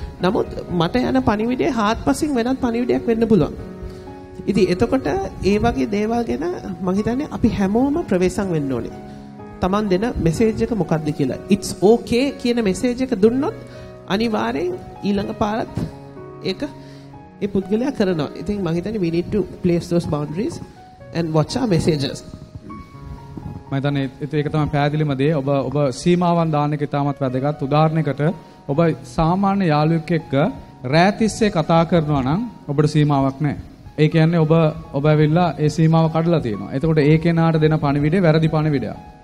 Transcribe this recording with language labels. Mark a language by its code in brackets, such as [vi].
[si] නමුත් මට යන පණිවිඩේ හාත්පසින් වෙනත් පණිවිඩයක් වෙන්න පුළුවන්. ඉතින් එතකොට ඒ වගේ දේවල් ගැන මම හිතන්නේ අපි හැමෝම ප්‍රවේසම් වෙන්න ඕනේ. Taman dena message එක මොකද්ද කියලා. [en] It's okay [si] කියන message එක දුන්නොත් අනිවාර්යෙන් ඊළඟ පාරත් ඒක ඒ පුද්ගලයා කරනවා. ඉතින් මම හිතන්නේ [en] we need to place those boundaries and watch our messages. [si] මම හිතන්නේ ඒක තමයි පැහැදිලිම දේ. ඔබ ඔබ සීමාවන් දාන එක ඉතාමත් වැදගත්. උදාහරණයකට ඔබ සාමාන්‍ය යාළුවෙක් එක්ක රෑ තිස්සේ කතා කරනවා නම් ඔබට සීමාවක් නැහැ. ඒ කියන්නේ ඔබ ඔබ ඇවිල්ලා ඒ සීමාව කඩලා තියෙනවා. එතකොට ඒ කෙනාට දෙන පණිවිඩේ වැරදි පණිවිඩයක්.